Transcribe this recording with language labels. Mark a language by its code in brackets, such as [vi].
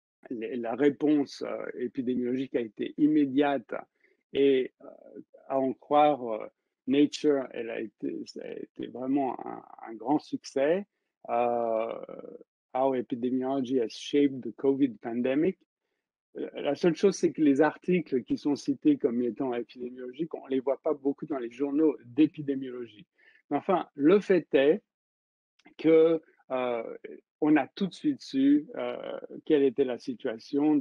[fr] La réponse épidémiologique a été immédiate et, à en croire Nature, ça a été vraiment un grand succès. [en] How epidemiology has shaped the COVID pandemic. [fr] La seule chose, c'est que les articles qui sont cités comme étant épidémiologiques, on ne les voit pas beaucoup dans les journaux d'épidémiologie. Mais enfin, le fait est que on a tout de suite su quelle était la situation.